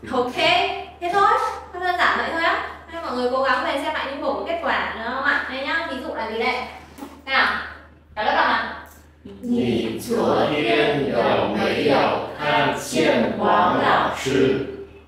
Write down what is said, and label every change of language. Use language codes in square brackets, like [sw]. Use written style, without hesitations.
[zh] OK， 就这样，就这样，就这样。那么，各位， [vi] cố gắng về xem lại những bộ kết quả nữa không ạ? Đây nhá, ví dụ là gì đây? Nào, cả lớp đọc nào. [zh] 你昨天有没有看见王老师?